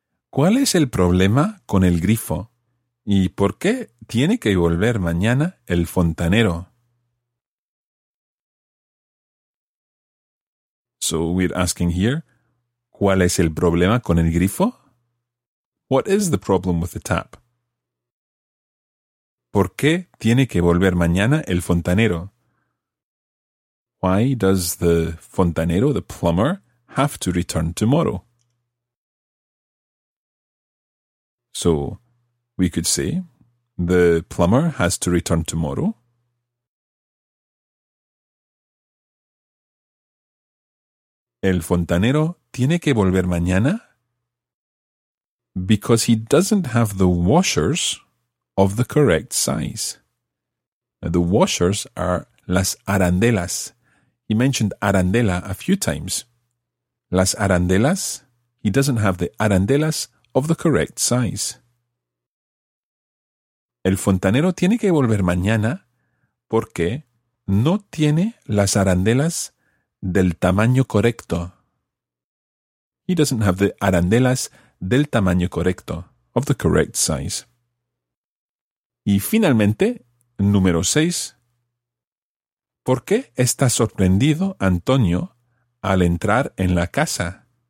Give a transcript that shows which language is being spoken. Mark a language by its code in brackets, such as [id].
[es] ¿Cuál es el problema con el grifo? ¿Y por qué tiene que volver mañana el fontanero? [en] So we're asking here, [es] ¿cuál es el problema con el grifo? [en] What is the problem with the tap? [es] ¿Por qué tiene que volver mañana el fontanero? [en] Why does the fontanero, the plumber, have to return tomorrow? So, we could say, the plumber has to return tomorrow. [es] El fontanero tiene que volver mañana [en] because he doesn't have the washers of the correct size. Now, the washers are las arandelas. He mentioned arandela a few times. Las arandelas, he doesn't have the arandelas of the correct size. [es] El fontanero tiene que volver mañana porque no tiene las arandelas del tamaño correcto. [en] He doesn't have the arandelas [es] del tamaño correcto, [en] of the correct size. [es] Y finalmente, número 6. ¿Por qué está sorprendido Antonio al entrar en la casa?